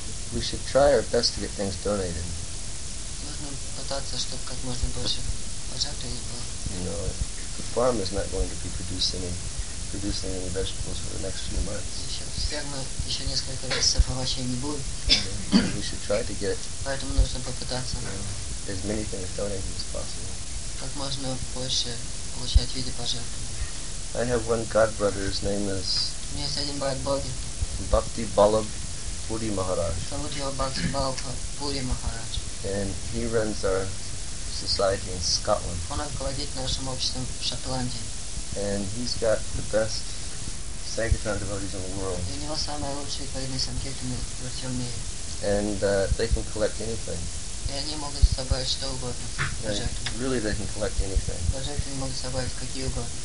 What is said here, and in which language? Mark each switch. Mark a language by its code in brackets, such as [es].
[en] We should try our best to get things donated. [ru] Нужно пытаться, чтобы как можно больше пожертвований было. [en] You know, the farm is not going to be producing any vegetables for the next few months. [ru] Еще несколько месяцев овощей не будет. [en] We should try to get. [ru] Поэтому нужно попытаться. [en] As many things donated as possible. [ru] Как можно больше получать в виде пожертвований. [en] I have one god brother. His name is. [ru] У меня есть один брат Боги. [en] Bhakti Balab Puri Maharaj. [ru] Зовут его Бхакти Балаб Пури Махарадж. [en] And he runs our society in Scotland. [ru] Он руководит нашим обществом в Шотландии. [en] And he's got the best Sankirtan devotees in the world. [ru] У него самые лучшие преданные санкиртаны во всем мире. [en] And they can collect anything. [ru] И они могут собрать что угодно. [en] Really, they can collect anything. [ru] Пожертвования могут собрать какие угодно.